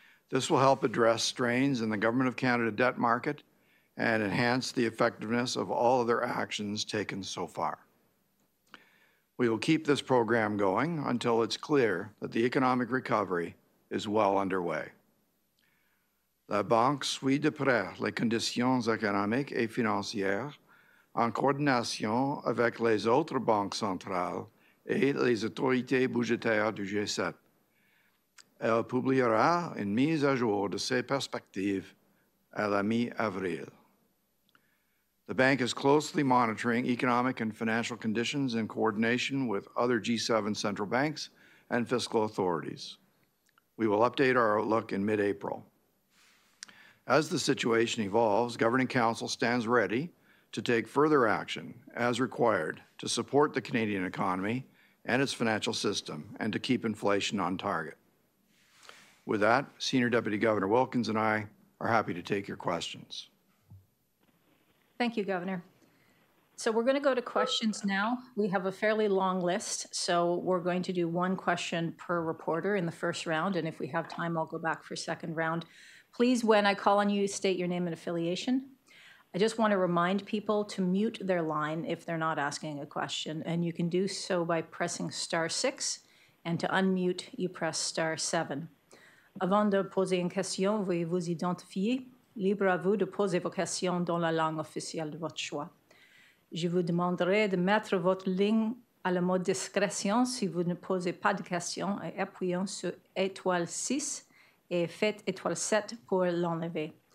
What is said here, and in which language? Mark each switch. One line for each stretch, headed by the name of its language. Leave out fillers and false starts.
English: This will help address strains in the Government of Canada debt market and enhance the effectiveness of all other actions taken so far. We will keep this program going until it's clear that the economic recovery is well underway.
French: La banque suit de près les conditions économiques et financières en coordination avec les autres banques centrales et les autorités budgétaires du G7. Elle publiera une mise à jour de ses perspectives à la mi-avril.
English: The bank is closely monitoring economic and financial conditions in coordination with other G7 central banks and fiscal authorities. We will update our outlook in mid-April. As the situation evolves, Governing Council stands ready to take further action as required to support the Canadian economy and its financial system and to keep inflation on target. With that, Senior Deputy Governor Wilkins and I are happy to take your questions. Thank you, Governor. So we're going to go to questions now. We have a fairly long list, so we're going to do one question per reporter in the first round, and if we have time, I'll go back for second round. Please, when I call on you, state your name and affiliation. I just want to remind people to mute their line if they're not asking a question, and you can do so by pressing star 6, and to unmute, you press star 7.
French: Avant de poser une question, veuillez vous identifier. Libre à vous de poser vos questions dans la langue officielle de votre choix. Je vous demanderai de mettre votre ligne à le mot discrétion si vous ne posez pas de questions et appuyons sur étoile 6 et faites étoile 7 pour l'enlever.